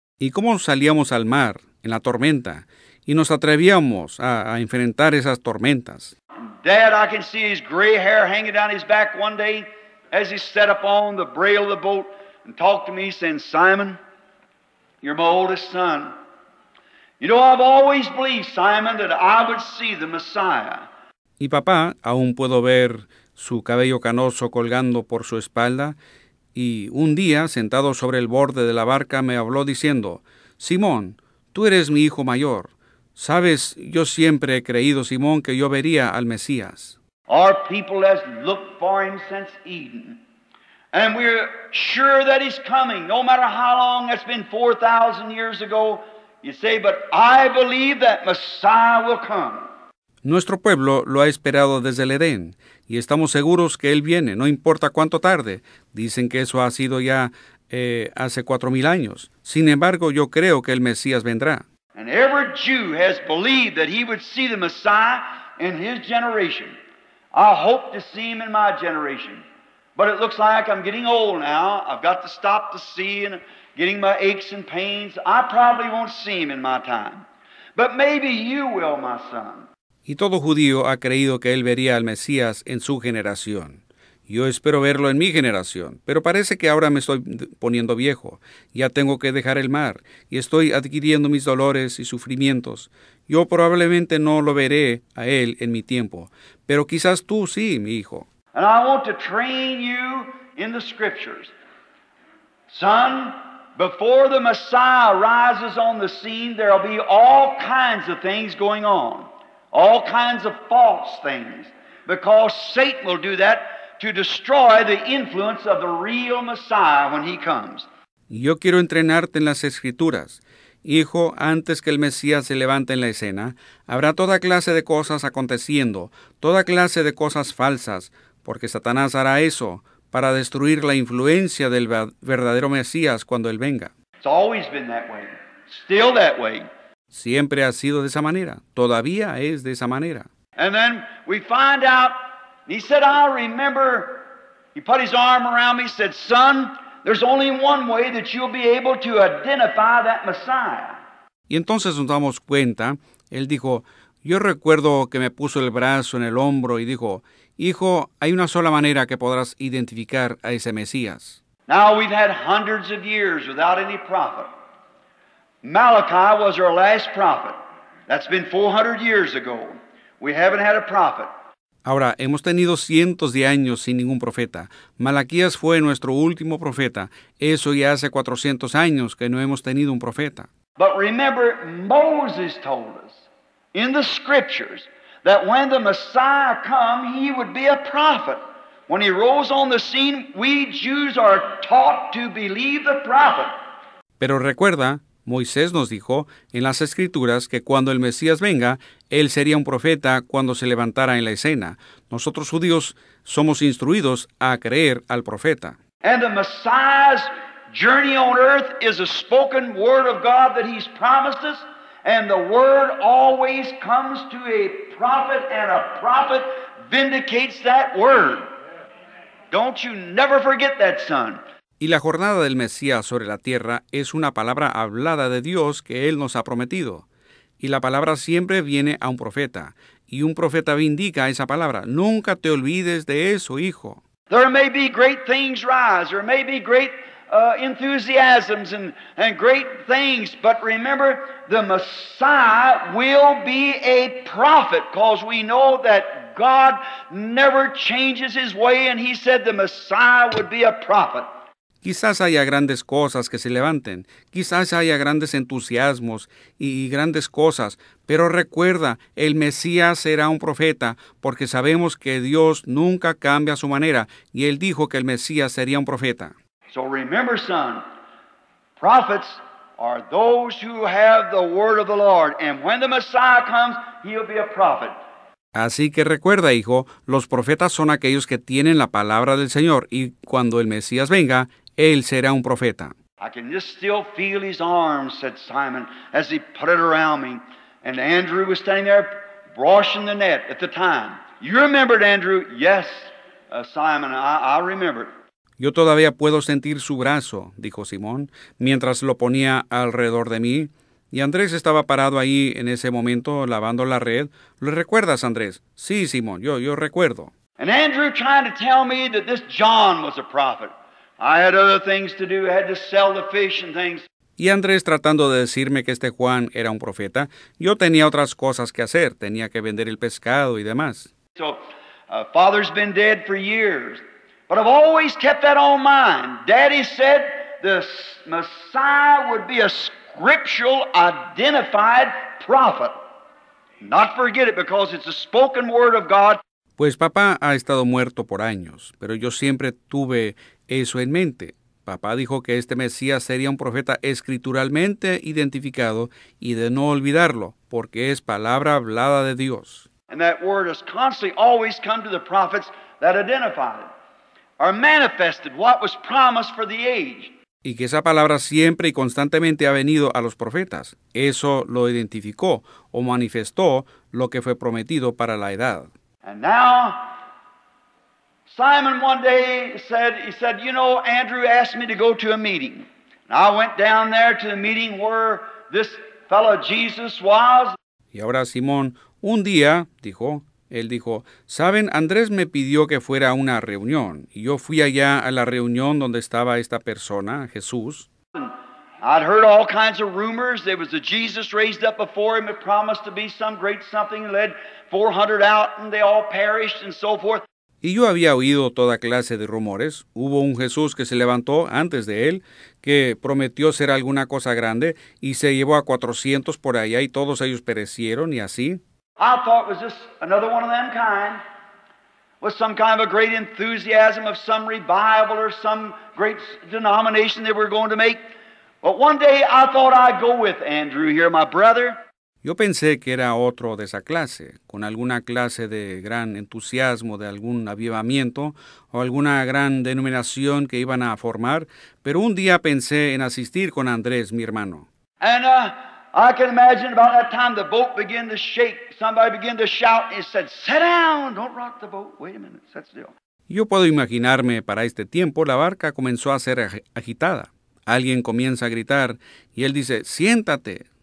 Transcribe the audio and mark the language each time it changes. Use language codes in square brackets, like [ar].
[es] ¿Y cómo salíamos al mar en la tormenta? Y nos atrevíamos a enfrentar esas tormentas. [en] Dad, I can see his gray hair hanging down his back one day as he sat up on the rail of the boat and talked to me, saying, Simon, you're my oldest son. You know, I've always believed, Simon, that I would see the Messiah. [es] Y papá, aún puedo ver su cabello canoso colgando por su espalda. Y un día, sentado sobre el borde de la barca, me habló diciendo, Simón, tú eres mi hijo mayor. Sabes, yo siempre he creído, Simón, que yo vería al Mesías. [en] Our people has looked for him since Eden. And we're sure that he's coming, no matter how long. That's been 4,000 years ago. You say, but I believe that Messiah will come. [es] Nuestro pueblo lo ha esperado desde el Edén, y estamos seguros que él viene, no importa cuánto tarde. Dicen que eso ha sido ya hace 4,000 años. Sin embargo, yo creo que el Mesías vendrá. [en] And every Jew has believed that he would see the Messiah in his generation. I hope to see him in my generation. But it looks like I'm getting old now. I've got to stop the sea and getting my aches and pains. I probably won't see him in my time. But maybe you will, my son. [es] Y todo judío ha creído que él vería al Mesías en su generación. Yo espero verlo en mi generación, pero parece que ahora me estoy poniendo viejo. Ya tengo que dejar el mar y estoy adquiriendo mis dolores y sufrimientos. Yo probablemente no lo veré a él en mi tiempo, pero quizás tú sí, mi hijo. [en] And I want to train you in the scriptures. Son, before the Messiah rises on the scene, there will be all kinds of things going on, all kinds of false things, because Satan will do that to destroy the influence of the real Messiah when he comes. [es] Yo quiero entrenarte en las Escrituras. Hijo, antes que el Mesías se levante en la escena, habrá toda clase de cosas aconteciendo, toda clase de cosas falsas, porque Satanás hará eso para destruir la influencia del verdadero Mesías cuando él venga. [en] It's always been that way. Still that way. [es] Siempre ha sido de esa manera. Todavía es de esa manera. [en] And then we find out. He said, I remember, he put his arm around me, said, son, there's only one way that you'll be able to identify that Messiah. [es] Y entonces nos damos cuenta, él dijo, yo recuerdo que me puso el brazo en el hombro y dijo, hijo, hay una sola manera que podrás identificar a ese Mesías. [en] Now we've had hundreds of years without any prophet. Malachi was our last prophet. That's been 400 years ago. We haven't had a prophet. [es] Ahora, hemos tenido cientos de años sin ningún profeta. Malaquías fue nuestro último profeta. Eso ya hace 400 años que no hemos tenido un profeta. [en] But remember, Moses told us in the scriptures that when the Messiah come, he would be a prophet. When he rose on the scene, we Jews are taught to believe the prophet. [es] Pero recuerda, Moisés nos dijo en las Escrituras que cuando el Mesías venga, él sería un profeta cuando se levantara en la escena. Nosotros judíos somos instruidos a creer al profeta. [en] And the Messiah's journey on earth is a spoken word of God that he's promised us. And the word always comes to a prophet, and a prophet vindicates that word. Don't you never forget that, son. [es] Y la jornada del Mesías sobre la tierra es una palabra hablada de Dios que Él nos ha prometido. Y la palabra siempre viene a un profeta. Y un profeta vindica esa palabra. Nunca te olvides de eso, hijo. [en] There may be great things rise. There may be great enthusiasms and great things. But remember, the Messiah will be a prophet, because we know that God never changes his way, and he said the Messiah would be a prophet. [es] Quizás haya grandes cosas que se levanten, quizás haya grandes entusiasmos y grandes cosas, pero recuerda, el Mesías será un profeta, porque sabemos que Dios nunca cambia su manera, y él dijo que el Mesías sería un profeta. [en] So remember, son, prophets are those who have the word of the Lord, and when the Messiah comes, he'll be a prophet. [es] Así que recuerda, hijo, los profetas son aquellos que tienen la palabra del Señor, y cuando el Mesías venga, él será un profeta. [en] I can just still feel his arms, said Simon, as he put it around me. And Andrew was standing there washing the net at the time. You remembered, Andrew? Yes, Simon, I remember. [es] Yo todavía puedo sentir su brazo, dijo Simón, mientras lo ponía alrededor de mí. Y Andrés estaba parado ahí en ese momento lavando la red. ¿Lo recuerdas, Andrés? Sí, Simón, yo recuerdo. [en] And Andrew trying to tell me that this John was a prophet. I had other things to do. I had to sell the fish and things. [es] Y Andrés tratando de decirme que este Juan era un profeta, yo tenía otras cosas que hacer. Tenía que vender el pescado y demás. [en] So, father's been dead for years. But I've always kept that on mind. Daddy said the Messiah would be a scriptural identified prophet. Not forget it, because it's a spoken word of God. [es] Pues papá ha estado muerto por años, pero yo siempre tuve eso en mente. Papá dijo que este Mesías sería un profeta escrituralmente identificado y de no olvidarlo, porque es palabra hablada de Dios. [en] And that word has constantly always come to the prophets that identified it, or manifested what was promised for the age. [es] Y que esa palabra siempre y constantemente ha venido a los profetas. Eso lo identificó o manifestó lo que fue prometido para la edad. [en] And now, Simon one day said, he said, you know, Andrew asked me to go to a meeting. And I went down there to the meeting where this fellow Jesus was. [es] Y ahora Simón, un día, dijo, él dijo, saben, Andrés me pidió que fuera a una reunión. Y yo fui allá a la reunión donde estaba esta persona, Jesús. [en] And I'd heard all kinds of rumors. There was a Jesus raised up before him. It promised to be some great something. He led 400 out and they all perished and so forth. [es] Y yo había oído toda clase de rumores. Hubo un Jesús que se levantó antes de él, que prometió ser alguna cosa grande, y se llevó a 400 por allá, y todos ellos perecieron, y así. [en] I thought it was just another one of them kind, with some kind of a great enthusiasm of some revival or some great denomination they were going to make. But one day I thought I'd go with Andrew here, my brother. [es] Yo pensé que era otro de esa clase, con alguna clase de gran entusiasmo, de algún avivamiento, o alguna gran denominación que iban a formar, pero un día pensé en asistir con Andrés, mi hermano. [en] And I can imagine about that time the boat began to shake, somebody began to shout, and he said, sit down, don't rock the boat, wait a minute, sit still. [es] Yo puedo imaginarme para este tiempo, la barca comenzó a ser agitada. Alguien comienza a gritar, y él dice, siéntate.